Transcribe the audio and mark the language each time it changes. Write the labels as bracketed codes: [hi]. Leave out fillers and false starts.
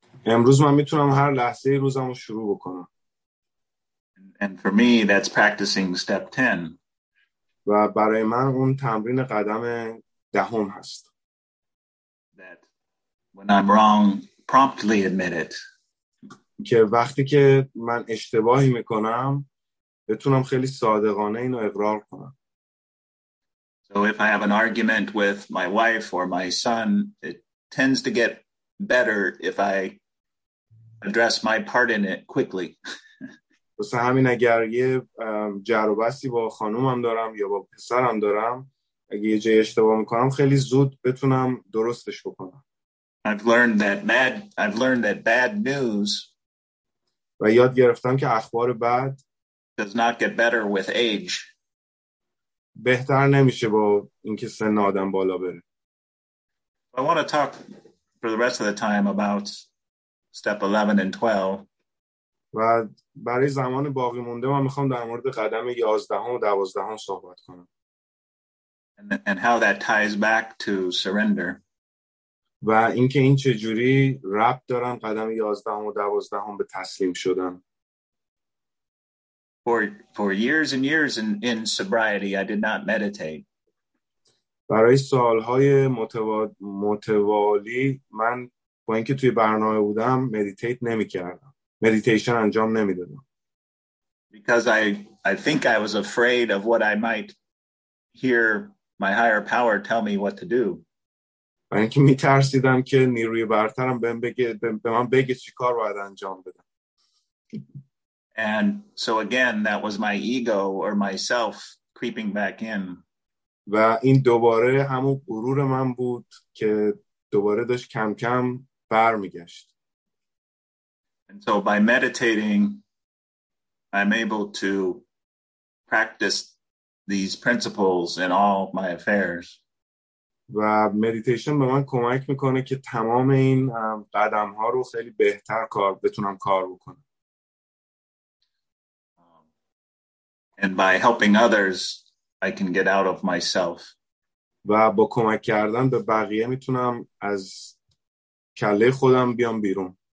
[fa] امروز من میتونم هر لحظه روزمو شروع بکنم. [en] And for me, that's practicing step 10. [fa] و برای من اون تمرین قدم دهم هست. [en] That when I'm wrong, promptly admit it. [fa] که وقتی که من اشتباهی میکنم بتونم خیلی صادقانه اینو اقرار کنم. [en] So if I have an argument with my wife or my son, it tends to get better if I address my part in it quickly. [fa] بس همین اگر یه جر و بحثی با خانومم دارم یا با پسرم دارم اگه یه جای اشتباه میکنم خیلی زود بتونم درستش بکنم. [en] I've learned that bad news [fa] و یاد گرفتم که اخبار بد [en] does not get better with age. [fa] بهتر نمیشه با اینکه سن آدم بالا بره. [en] I want to talk for the rest of the time about step 11 and 12. [fa] و برای زمان باقی مونده من میخوام در مورد قدم 11 و 12 صحبت کنم. [en] And how that ties back to surrender. [fa] و اینکه این چه جوری ربط دارن قدم 11 و 12 به تسلیم شدن. [en] For years and years in sobriety I did not meditate. [fa] برای سالهای متوالی من با اینکه توی برنامه بودم مدیتیت نمی کردم. مدیتیشن انجام نمی دادم. [en] Because I think I was afraid of what I might hear my higher power tell me what to do. [fa] برای اینکه می ترسیدم که نیروی برترم به من بگه چی کار باید انجام بدم. [en] And so again, that was my ego or myself creeping back in. [fa] و این دوباره همون غرور من بود که دوباره داشت کم کم بر میگشت. [en] And so by meditating, I'm able to practice these principles in all my affairs. [fa] و مدیتیشن به من کمک میکنه که تمام این قدم ها رو خیلی بهتر کار بتونم کار بکنم. [en] And by helping others, I can get out of myself. [fa] و با کمک کردن به بقیه میتونم از کله خودم بیام بیرون.